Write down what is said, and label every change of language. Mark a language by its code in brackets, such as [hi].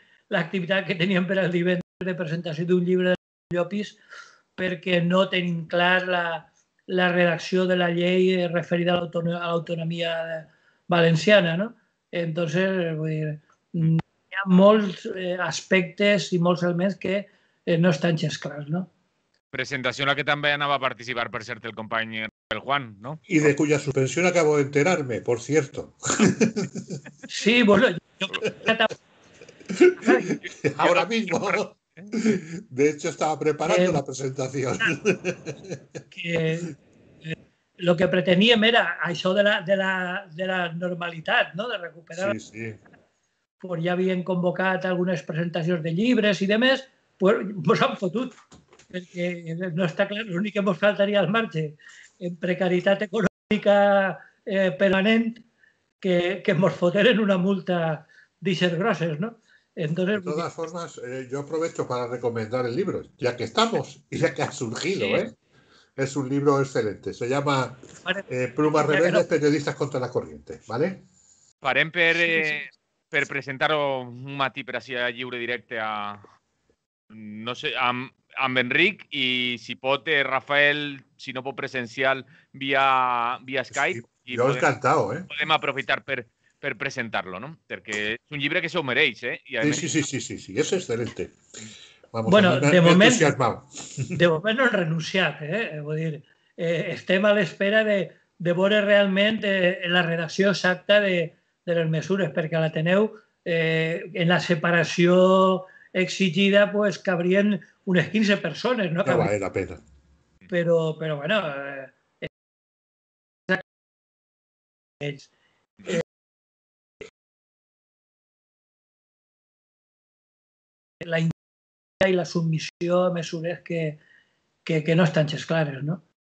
[ca] l'activitat que tenien per al divendres de presentació d'un llibre de Llopis, perquè no tenim clar la redacció de la llei referida a l'autonomia valenciana, no? Entonces, vull dir, hi ha molts aspectes i molts elements que no estan gens clars, no? Presentació en la que també anava a participar, per cert, el company el Juan, ¿no? [es] Y de cuya suspensión acabo de enterarme, por cierto. Sí, bueno, yo... Ahora mismo. De hecho, estaba preparando la presentación. [ca] Lo que pretendíem era això de la normalitat, ¿no? De recuperar. Sí, sí. [es] Pues ya habían [ca] convocat algunes presentacions de llibres i demés, pues mos han fotut. Perquè no està clar, l'únic que mos faltaria al marge en precarietat econòmica permanent que mos foten en una multa d'eixes grosses, no? [es] Entonces, de todas formas, yo aprovecho para recomendar el libro, ya que estamos y ya que ha surgido, sí. Es un libro excelente. Se llama Plumas Rebeldes, Periodistas contra la Corriente, ¿vale? [ca] Parem per, sí, sí. Per presentar un matí per así a lliure directe a... No sé, amb Enric i si pot, Rafael, si no pot presencial, via Skype. Sí, jo encantado, ¿eh? Podem aprofitar per presentar-lo, ¿no? Perquè és un llibre que s'ho mereix, ¿eh? I sí, sí, sí, sí, sí, sí, és excelente. Vamos, bueno, de moment no hem renunciat, ¿eh? Vull dir, estem a l'espera de veure realment la redacció exacta de les mesures, perquè l'Ateneu, en la separació exigida, pues cabrien unes 15 persones, ¿no? [es] No vale la pena. [ca] Pero bueno, la indústria i la submissió a mesures que no estan gens clares, no?